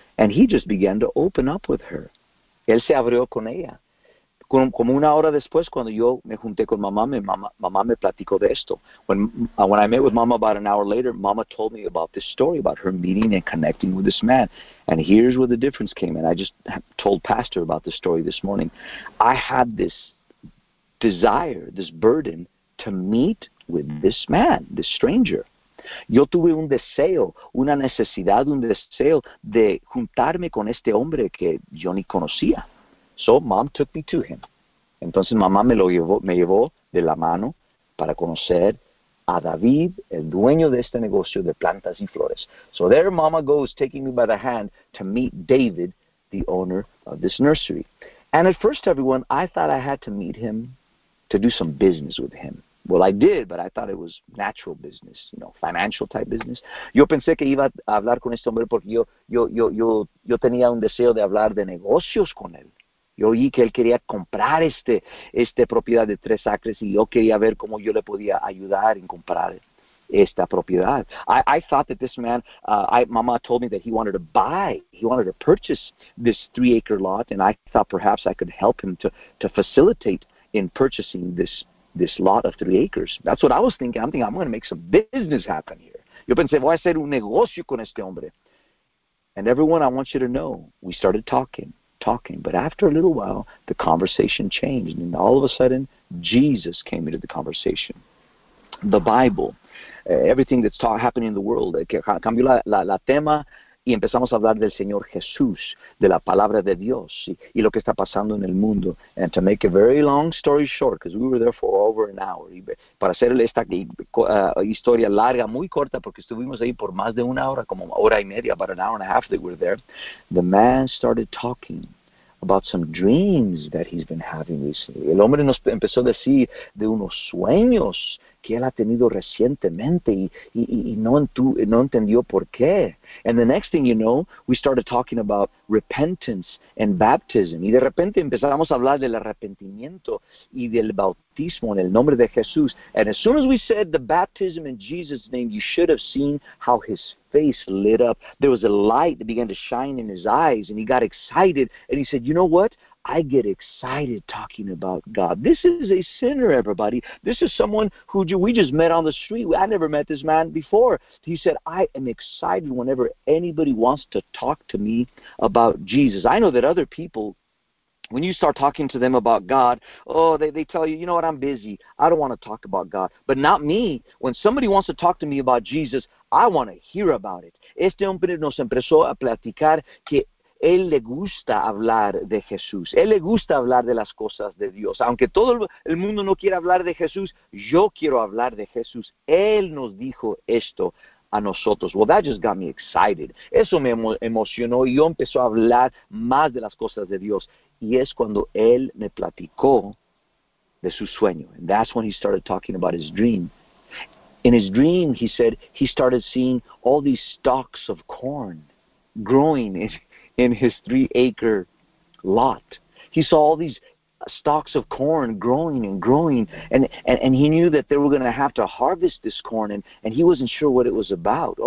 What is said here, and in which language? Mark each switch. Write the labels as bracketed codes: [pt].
[en] And he just began to open up with her. [es] Él se abrió con ella. Como una hora después, cuando yo me junté con mamá, mamá me platicó de esto. [en] When I met with mama about an hour later, mama told me about this story, about her meeting and connecting with this man. And here's where the difference came in. I just told pastor about this story this morning. I had this desire, this burden, to meet with this man, this stranger. [es] Yo tuve un deseo, una necesidad, un deseo de juntarme con este hombre que yo ni conocía. [en] So mom took me to him. [es] Entonces mamá me llevó de la mano para conocer a David, el dueño de este negocio de plantas y flores. [en] So there mama goes, taking me by the hand to meet David, the owner of this nursery. And at first, everyone, I thought I had to meet him to do some business with him. Well, I did, but I thought it was natural business, you know, financial type business. [es] Yo pensé que iba a hablar con este hombre porque yo tenía un deseo de hablar de negocios con él. Yo oí que él quería comprar esta propiedad de 3 acres y yo quería ver cómo yo le podía ayudar en comprar esta propiedad. [en] I thought that this man, mama told me that he wanted to purchase this 3-acre lot, and I thought perhaps I could help him to facilitate in purchasing this lot of 3 acres. That's what I was thinking. I'm thinking I'm going to make some business happen here. [es] Yo pensé, voy a hacer un negocio con este hombre. [en] And everyone, I want you to know, we started talking, but after a little while, the conversation changed, and all of a sudden, Jesus came into the conversation. The Bible, everything that's happening in the world, [es] que cambió la tema, y empezamos a hablar del Señor Jesús, de la palabra de Dios, y lo que está pasando en el mundo. [en] And to make a very long story short, because we were there for over an hour, [es] y para hacer esta historia larga, muy corta, porque estuvimos ahí por más de una hora, como hora y media, [en] about an hour and a half that we were there, the man started talking about some dreams that he's been having recently. [es] El hombre nos empezó a decir de unos sueños que él ha tenido recientemente y no entendió por qué. [en] And the next thing you know, we started talking about repentance and baptism. [es] Y de repente empezamos a hablar del arrepentimiento y del bautismo en el nombre de Jesús. [en] And as soon as we said the baptism in Jesus' name, you should have seen how his face lit up. There was a light that began to shine in his eyes, and he got excited, and he said, you know what? I get excited talking about God. This is a sinner, everybody. This is someone who we just met on the street. I never met this man before. He said, I am excited whenever anybody wants to talk to me about Jesus. I know that other people, when you start talking to them about God, oh, they tell you, you know what, I'm busy. I don't want to talk about God. But not me. When somebody wants to talk to me about Jesus, I want to hear about it. [es] Este hombre nos empezó a platicar que él le gusta hablar de Jesús. Él le gusta hablar de las cosas de Dios. Aunque todo el mundo no quiera hablar de Jesús, yo quiero hablar de Jesús. Él nos dijo esto a nosotros. [en] Well, that just got me excited. [es] Eso me emocionó y yo empecé a hablar más de las cosas de Dios. Y es cuando él me platicó de su sueño. [en] And that's when he started talking about his dream. In his dream, he said, he started seeing all these stalks of corn growing in his 3-acre lot. He saw all these stalks of corn growing and growing, and he knew that they were going to have to harvest this corn, and he wasn't sure what it was about.